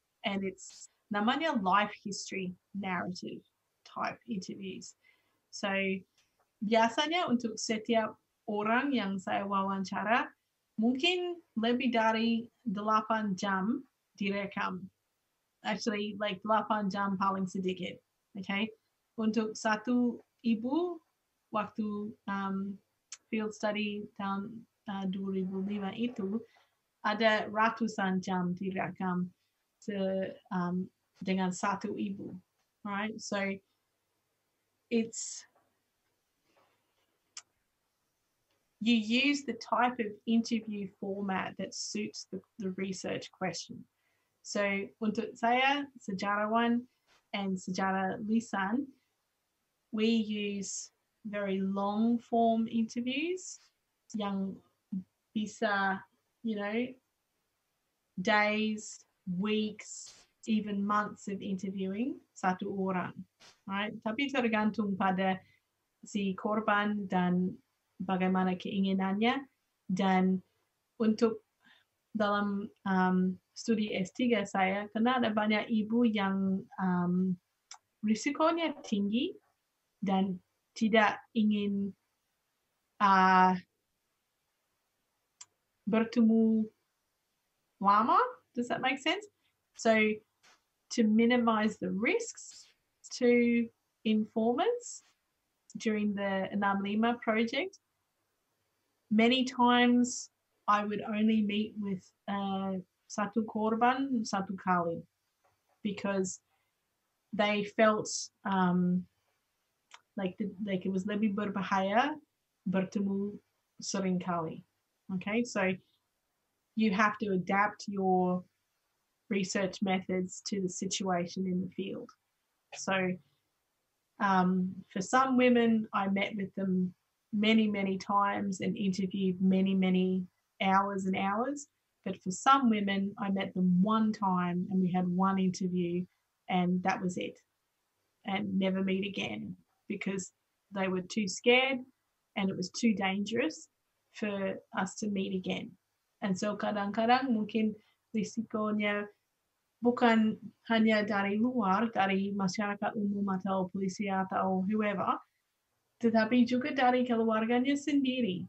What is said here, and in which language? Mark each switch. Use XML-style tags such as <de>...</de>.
<en>And it's</en> <id>namanya</id> <en>life history narrative type interviews.</en> <id>So biasanya untuk setiap orang yang saya wawancara, mungkin lebih dari 8 jam direkam.</id> <en>Actually, like</en> <id>8 jam paling sedikit. Okay. Untuk satu ibu waktu field study tahun 2005 itu, ada ratusan jam direkam. To dengan satu ibu,</id> <en>right? So it's you use the type of interview format that suits the research question. So</en> <id>untuk saya sejarawan</id> <en>and</en> <id>sejarah lisan,</id> <en>we use very long form interviews</en> <id>yang bisa,</id> <en>you know, days, weeks, even months of interviewing</en> <id>satu orang,</id> <en>right?</en> <id>Tapi tergantung pada si korban dan bagaimana keinginannya. Dan untuk dalam studi S3 saya, karena ada banyak ibu yang risikonya tinggi dan tidak ingin bertemu lama.</id> <en>Does that make sense? So to minimize the risks to informants during the Enam Lima project, many times I would only meet with</en> <id>satu korban, satu kali,</id> <en>because they felt like it was</en> <id>lebih berbahaya bertemu sering kali.</id> <en>Okay, so you have to adapt your research methods to the situation in the field. So for some women, I met with them many, many times and interviewed many, many hours and hours. But for some women, I met them one time and we had one interview and that was it. And never meet again because they were too scared and it was too dangerous for us to meet again.</en> <id>And so kadang-kadang mungkin risikonya bukan hanya dari luar, dari masyarakat umum atau polisi atau whoever, tetapi juga dari keluarganya sendiri.</id>